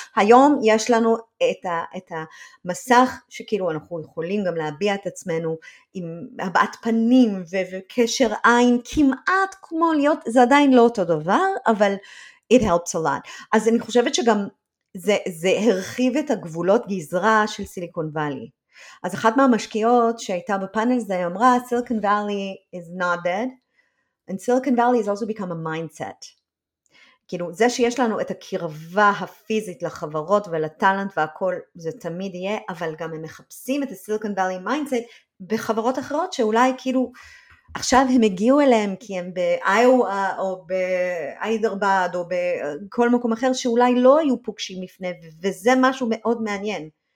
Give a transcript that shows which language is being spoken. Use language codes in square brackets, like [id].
[he] היום יש לנו את המסך שכאילו אנחנו יכולים גם להביע את עצמנו עם הבעת פנים וקשר עין, כמעט כמו להיות, זה עדיין לא אותו דבר, אבל [en] it helps a lot. [he] אז אני חושבת שגם זה הרחיב את הגבולות גזרה של סיליקון ואלי. אז אחת מהמשקיעות שהייתה בפאנל זה אמרה, [en] Silicon Valley is not dead, and Silicon Valley has also become a mindset. [he] כאילו, זה שיש לנו את הקרבה הפיזית לחברות ולטלנט והכל, זה תמיד יהיה, אבל גם הם מחפשים את ה-Silicon Valley mindset בחברות אחרות, שאולי כאילו, עכשיו הם הגיעו אליהם, כי הם באיווה או באיידרבד, או בכל מקום אחר, שאולי לא היו פוגשים לפני, וזה משהו מאוד מעניין.